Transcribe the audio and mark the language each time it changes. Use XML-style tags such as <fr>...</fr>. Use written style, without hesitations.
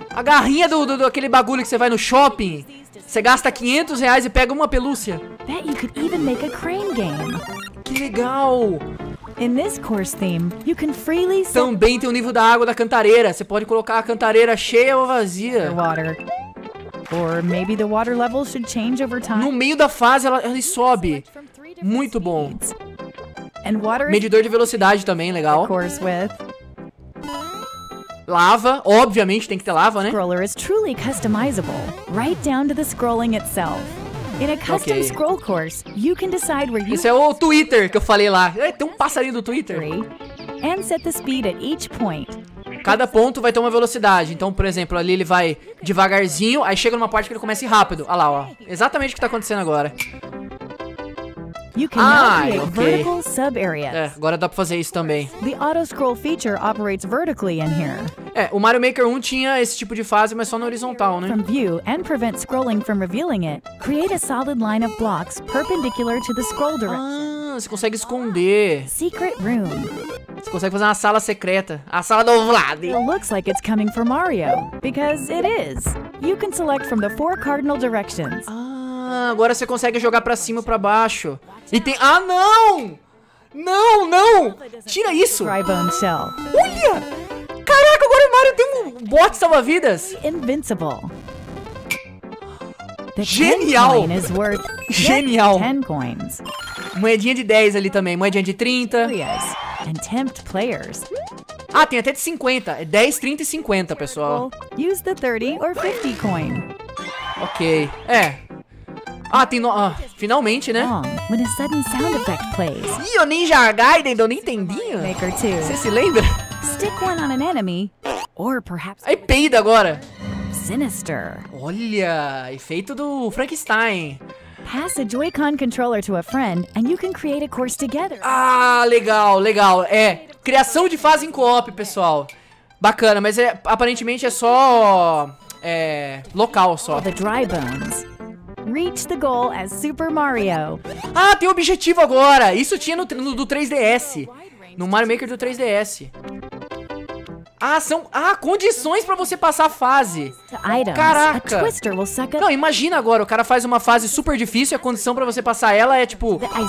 <pt>A garrinha do aquele bagulho que você vai no shopping. Você gasta R$500 e pega uma pelúcia.</pt> <en>Bet you could even make a crane game.</en> <pt>Que legal!</pt> <en>In this course theme, you can freely set...</en> <pt>Também tem o nível da água da cantareira. Você pode colocar a cantareira cheia ou vazia.</pt> <en>Water. Or maybe the water level should change over time.</en> <pt>No meio da fase, ela sobe. Muito bom.</pt> <en>And water...</en> <pt>Medidor de velocidade também, legal.</pt> <en>Course with...</en> <pt>Lava, obviamente tem que ter lava, né?</pt> <en>Scroller is truly customizable, right down to the scrolling itself. In a custom okay. scroll course, you can decide where you...</en> <pt>Isso é o Twitter que eu falei lá. Tem um passarinho do Twitter.</pt> <en>And set the speed at each point.</en> <pt>Cada ponto vai ter uma velocidade. Então, por exemplo, ali ele vai devagarzinho, aí chega numa parte que ele começa a ir rápido. Olha lá, ó. Exatamente o que tá acontecendo agora.</pt> <en>You can create vertical sub-areas.</en> <pt>É, agora dá pra fazer isso também.</pt> <en>The auto-scroll feature operates vertically in here.</en> <pt>É, o Mario Maker 1 tinha esse tipo de fase, mas só no horizontal, né?</pt> <en>From view and prevent scrolling from revealing it, create a solid line of blocks perpendicular to the scroll direction.</en> <pt>Você consegue esconder.</pt> <en>Secret room.</en> <pt>Você consegue fazer uma sala secreta. A sala do Vlad.</pt> <en>It looks like it's coming from Mario, because it is. You can select from the four cardinal directions.</en> <pt>Agora você consegue jogar pra cima ou pra baixo. E tem... Ah, não! Não, não! Tira isso! Olha! Caraca, agora o Mario tem um bot salva-vidas!</pt> <en>Invincible.</en> <pt>Genial! Genial!</pt> <en>10 coins.</en> <pt>Moedinha de 10 ali também, moedinha de 30.</pt> <en>And tempt players.</en> <pt>Ah, tem até de 50. É 10, 30 e 50, pessoal.</pt> <en>Use the 30 or 50 coin.</en> <pt>Ok. É. Ah, tem... No... Ah, finalmente, né?</pt> <en>When a sudden sound effect plays.</en> <pt>Ih, o Ninja Gaiden, eu nem entendi. Você se lembra?</pt> <en>Stick one on an enemy, or perhaps...</en> <pt>Aí peida agora.</pt> <en>Sinister.</en> <pt>Olha, efeito do Frankenstein.</pt> <en>Pass a Joy-Con controller to a friend, and you can create a course together.</en> <pt>Ah, legal, legal. É, criação de fase em co-op, pessoal. Bacana, mas é, aparentemente é só... É, local só.</pt> <en>The dry bones. Reach the goal as Super Mario.</en> <pt>Ah, tem um objetivo agora. Isso tinha no 3DS. No Mario Maker do 3DS. Ah, são... Ah, condições pra você passar a fase. Caraca. Não, imagina agora. O cara faz uma fase super difícil e a condição pra você passar ela é, tipo...</pt>